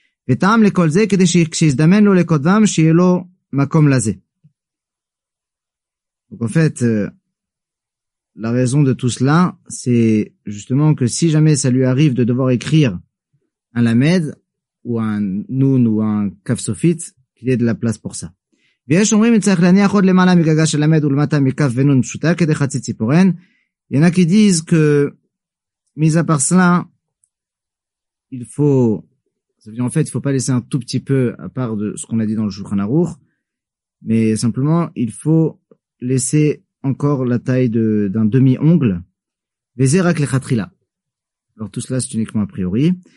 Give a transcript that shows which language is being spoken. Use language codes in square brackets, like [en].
[fr] Donc en fait, la raison de tout cela, c'est justement que si jamais ça lui arrive de devoir écrire un lamed ou un nun ou un kaf sofit, qu'il y ait de la place pour ça. [he] ויש אומרים צריך להניח עוד למעלה מגגה של למד ולמטה מקף ונון פשוטה כדי חצי ציפורן. [fr] Il y en a qui disent que, mis à part cela, il faut, ça veut dire en fait, il faut pas laisser un tout petit peu à part de ce qu'on a dit dans le Shulchan Aruch, mais simplement, il faut laisser encore la taille d'un demi-ongle. [he] וזה רק לחתחילה. [fr] Alors tout cela, c'est uniquement a priori.